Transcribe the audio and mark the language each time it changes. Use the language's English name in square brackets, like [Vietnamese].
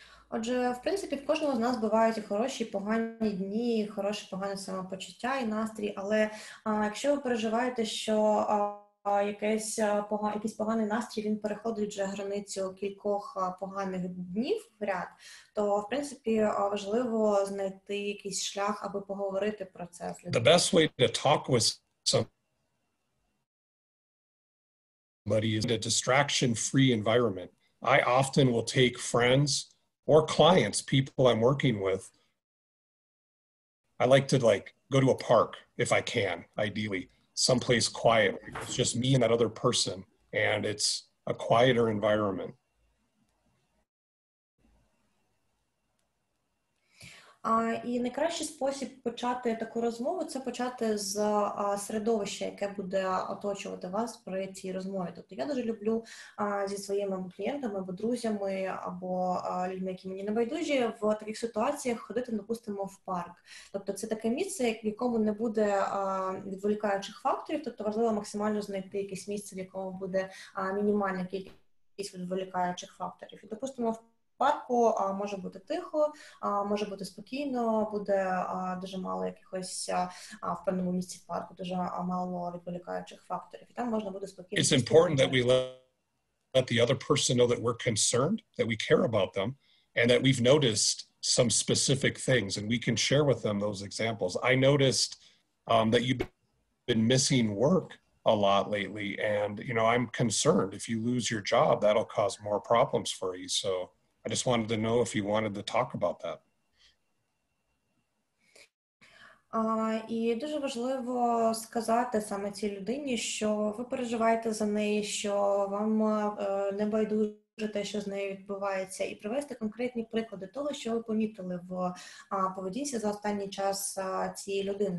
[Ukrainian] Отже, в принципі, в кожного з нас бувають і хороші, і погані дні, і хороше, погане самопочуття і настрій, але якщо ви переживаєте, що якийсь поганий настрій, він переходить вже границю кількох поганих днів в ряд, то, в принципі, важливо знайти якийсь шлях, аби поговорити про це. [English] The best way to talk with somebody is a distraction-free environment. I often will take friends or clients, people I'm working with. I like to, like, go to a park if I can, ideally. Someplace quiet. It's just me and that other person, and it's a quieter environment. [Ukrainian] І найкращий спосіб почати таку розмову – це почати з середовища, яке буде оточувати вас при цій розмові. Тобто я дуже люблю зі своїми клієнтами або друзями, або людьми, які мені небайдужі, в таких ситуаціях ходити, допустимо, в парк. Тобто це таке місце, в якому не буде відволікаючих факторів, тобто важливо максимально знайти якесь місце, в якому буде мінімальна кількість відволікаючих факторів. І, допустимо, в парку може бути тихо, може бути спокійно, буде дуже мало якихось в певному місці парку, дуже мало відволікаючих факторів. І там можна буде спокійно. [English] It's important that we let the other person know that we're concerned, that we care about them, and that we've noticed some specific things, and we can share with them those examples. I noticed that you've been missing work a lot lately, and you know, I'm concerned. If you lose your job, that'll cause more problems for you. So I just wanted to know if you wanted to talk about that. [Ukrainian] І дуже важливо сказати саме цій людині, що ви переживаєте за неї, що вам небайдуже те, що з нею відбувається, і привести конкретні приклади того, що ви помітили в поведінці за останній час цієї людини.